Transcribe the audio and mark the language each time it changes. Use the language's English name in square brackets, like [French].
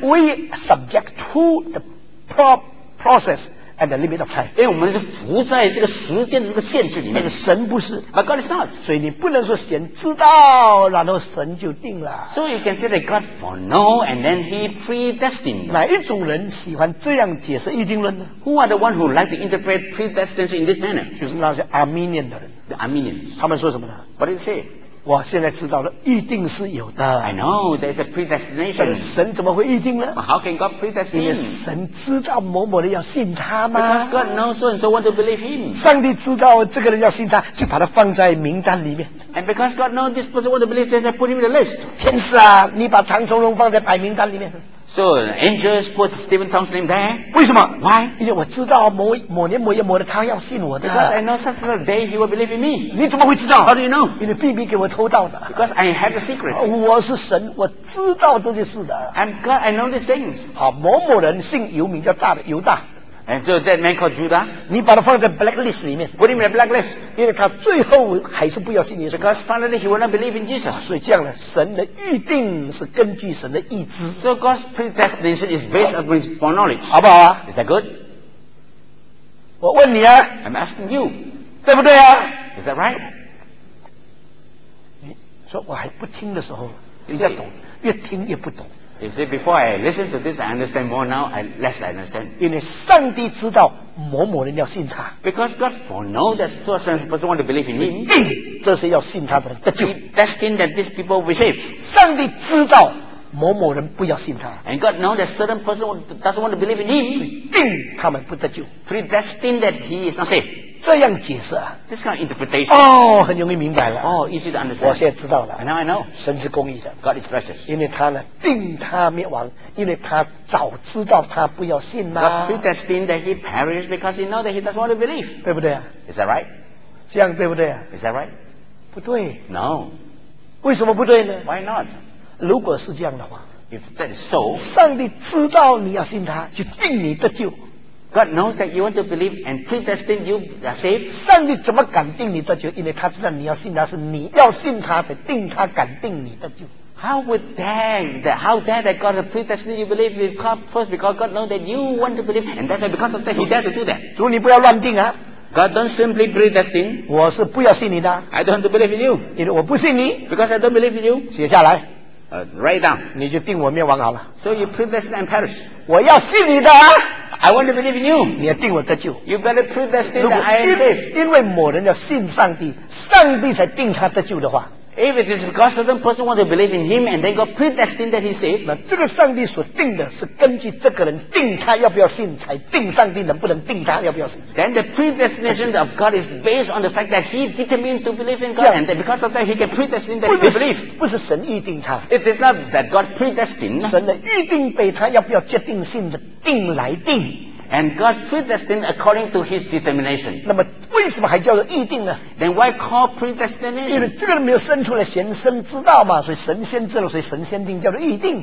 [English] We subject to the process and the limit of time [Chinese] 因为我们是浮在这个时间的这个限制里面但是神不是 [English] But God is not [Chinese] 所以你不能说神知道然后神就定了 [English] So you can say that God foreknow and then he predestined [Chinese] 哪一种人喜欢这样解释预定论呢 [English] Who are the ones who like to interpret predestination in this manner [Chinese] 就是那些 Armenian 的人 [English] The Armenians [Chinese] 他们说什么呢 [English] What did they say? [Chinese] 我现在知道了，预定是有的。 [English] I know there's a predestination。 [Chinese] 神怎么会预定呢 [English] ？How can God predestine？ [Chinese] 因为神知道某某人要信他吗 [English] ？Because God knows so and so want to believe him。 [Chinese] 上帝知道这个人要信他，就把他放在名单里面。 [English] And because God knows this person want to believe him, they put him in the list。 [Chinese] 天使啊，你把唐崇荣放在白名单里面。 [English] So angels put Stephen Tong's name there. [Chinese] 为什么 [English] ？Why？ [Chinese] 因为我知道某年某月某日他要信我的。 [English] Because I know such a day he will believe in me. [Chinese] 你怎么会知道 [English] ？How do you know？ [Chinese] 因为 BB 给我偷到的。 [English] Because I have a secret. [Chinese] 我是神，我知道这件事的。 [English] I'm God. I know these things. [Chinese] 好，某某人姓犹名叫大的犹大。 [English] And so that man called Judah. [Chinese] 你把他放在 blacklist 里面。 [English] Put him in a blacklist. [Chinese] 因为他最后还是不要信耶稣。 [English] Because finally he will not believe in Jesus. [Chinese] 所以这样呢，神的预定是根据神的意志。 [English] So God's predestination is based upon his foreknowledge. [Chinese] 好不好啊 [English] ？Is that good? [Chinese] 我问你啊。 [English] I'm asking you. [Chinese] 对不对啊 [English] ？Is that right? [Chinese] 你说我还不听的时候，越懂越听越不懂。 [English] You see, before I listen to this, I understand more now, less I understand. [Chinese] 因为上帝知道某某人要信他。 [English] Because God foreknows that certain person want to believe in him. [Chinese] 定这些要信他的人得救。 [English] Destined that these people will be saved. [Chinese] 上帝知道某某人不要信他。 [English] And God knows that certain person doesn't want to believe in him. [Chinese] 定他们不得救。 [English] Predestined that he is not saved. [Chinese] 这样解释啊 [English] ，this kind of interpretation， [Chinese] 哦，很容易明白了， [English] 哦 ，easy to understand。 [Chinese] 我现在知道了 [English] ，now I know， [Chinese] 神是公义的 [English] ，God is righteous， [Chinese] 因为他呢定他灭亡，因为他早知道他不要信嘛 [English] ，God predestined that he perish because he know that he doesn't want to believe， [Chinese] 对不对啊 [English] ？Is that right？ [Chinese] 这样对不对啊 [English] ？Is that right？ [Chinese] 不对 [English] ，No， [Chinese] 为什么不对呢 [English] ？Why not？ [Chinese] 如果是这样的话 [English] ，If that is so， [Chinese] 上帝知道你要信他，就定你得救。 [English] God knows that you want to believe and predestined you are saved. [Chinese] 上帝怎么敢定你的救？因为他知道你要信他，是你要信他才定他敢定你的救。 [English] How dare that God has predestined you believe you come first because God knows that you want to believe and that's why because of that he dares to do that. [Chinese] 主你不要乱定啊。 [English] God don't simply predestine. [Chinese] 我是不要信你的。 [English] I don't want to believe in you. [Chinese] 因为我不信你。 [English] Because I don't believe in you. [Chinese] 写下来。 [English] Write down. [Chinese] 你就定我灭亡好了。 [English] So you predestined and perish. [Chinese] 我要信你的啊。 [English] I want to believe in you. [Chinese] 你要定我得救。 [English] You better predestine that I am saved. [Chinese] 因为某人要信上帝，上帝才定他得救的话。 [English] If it is because certain person want to believe in him and then God predestined that he's saved. [Chinese] 那这个上帝所定的是根据这个人定他要不要信才定上帝能不能定他要不要信。 [English] Then the predestination of God is based on the fact that he determined to believe in God and then because of that he can predestine that he believes. [Chinese] 不是神预定他。 [English] It is not that God predestined. [Chinese] 神的预定被他要不要决定性的定来定。 [English] And God predestined according to his determination. [Chinese] 那么为什么还叫做预定呢 [English] ？Then why call predestination? [Chinese] 因为这个人没有生出来，先生知道嘛，所以神先知了，所以神先定叫做预定。